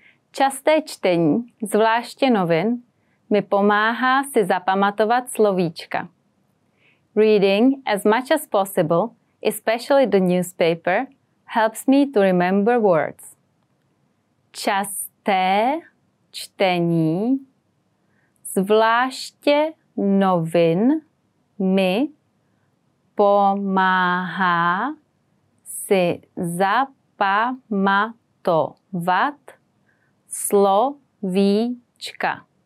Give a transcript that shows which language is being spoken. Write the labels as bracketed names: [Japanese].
[Czech] Časté čtení, zvláště novin, mi pomáhá si zapamatovat slovíčka. [English] Reading as much as possible, especially the newspaper, helps me to remember words. [Czech] Časté čtení, zvláště novin, mi pomáhá si zapamatovat slovíčka.